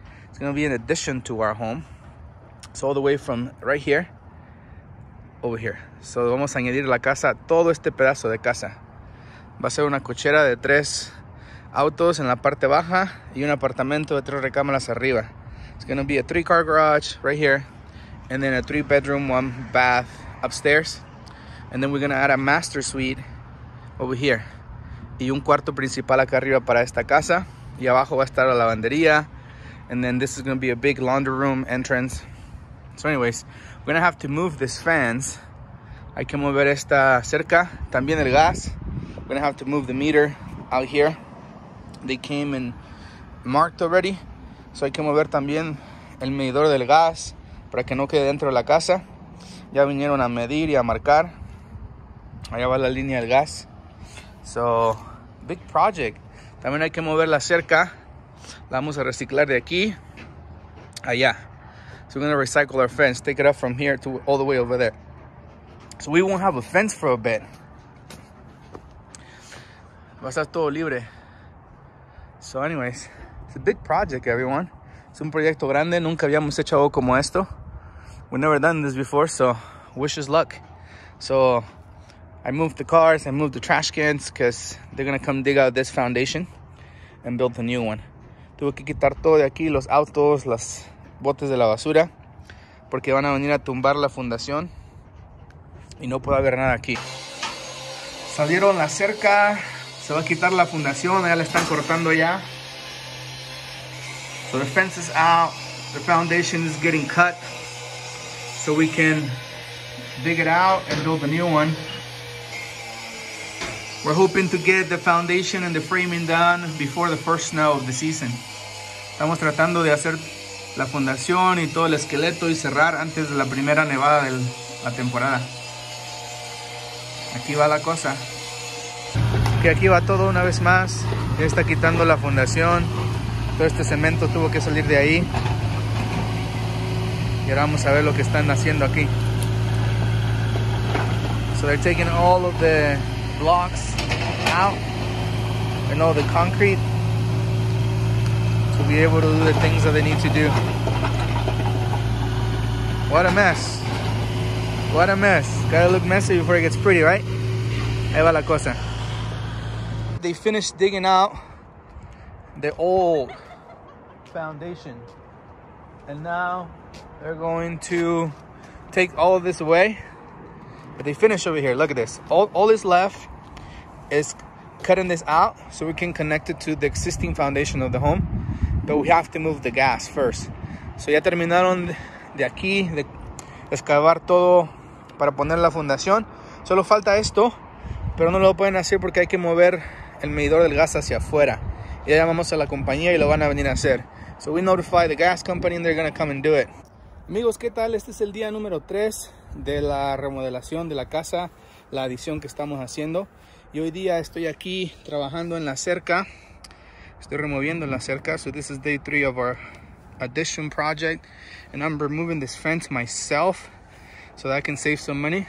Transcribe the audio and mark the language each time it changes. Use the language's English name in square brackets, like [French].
[English] It's going to be an addition to our home. So all the way from right here over here. [Spanish] So vamos a añadir la casa, todo este pedazo de casa. Va a ser una cochera de 3 autos en la parte baja y un apartamento de 3 recámaras arriba. [English] It's going to be a 3-car garage right here, and then a 3-bedroom, 1-bath upstairs. And then we're going to add a master suite over here. [Spanish] Y un cuarto principal acá arriba para esta casa. Y abajo va a estar la lavandería. [English] And then this is going to be a big laundry room entrance. So anyways, we're going to have to move this fence. [Spanish] Hay que mover esta cerca. También el gas. [English] We're going to have to move the meter out here. They came and marked already. [Spanish] So hay que mover también el medidor del gas para que no quede dentro de la casa. Ya vinieron a medir y a marcar. Allá va la línea del gas. [English] So, big project. [Spanish] También hay que mover la cerca. La vamos a reciclar de aquí allá. [English] So we're going to recycle our fence. Take it up from here to all the way over there. So we won't have a fence for a bit. [Spanish] Va a estar todo libre. [English] So anyways, it's a big project, everyone. [Spanish] Es un proyecto grande. Nunca habíamos hecho algo como esto. [English] We've never done this before, so wish us luck. So I moved the cars. I moved the trash cans because they're going to come dig out this foundation and build a new one. [Spanish] Tuve que quitar todo de aquí, los autos, las botes de la basura, porque van a venir a tumbar la fundación y no puede haber nada aquí. Salieron la cerca. Se va a quitar la fundación. Ya la están cortando ya. [English] So the fence is out, the foundation is getting cut, so we can dig it out and build a new one. We're hoping to get the foundation and the framing done before the first snow of the season. [Spanish] Estamos tratando de hacer la fundación y todo el esqueleto y cerrar antes de la primera nevada de la temporada. Aquí va la cosa. Que aquí va todo una vez más. Ya está quitando la fundación. Todo este cemento tuvo que salir de ahí. Y ahora vamos a ver lo que están haciendo aquí. [English] So they're taking all of the blocks out and all the concrete to be able to do the things that they need to do. What a mess. What a mess. Gotta look messy before it gets pretty, right? [Spanish] Ahí va la cosa. [English] They finished digging out the old foundation, and now they're going to take all of this away. But they finish over here. Look at this. All is left is cutting this out so we can connect it to the existing foundation of the home. But we have to move the gas first. [Spanish] So ya terminaron de aquí de excavar todo para poner la fundación. Solo falta esto, pero no lo pueden hacer porque hay que mover el medidor del gas hacia afuera. Ya llamamos a la compañía y lo van a venir a hacer. [English] So we notify the gas company and they're going to come and do it. [Spanish] Amigos, ¿qué tal? Este es el día número 3 de la remodelación de la casa, la adición que estamos haciendo. Y hoy día estoy aquí trabajando en la cerca. Estoy removiendo la cerca. [English] So this is day 3 of our addition project. And I'm removing this fence myself so that I can save some money.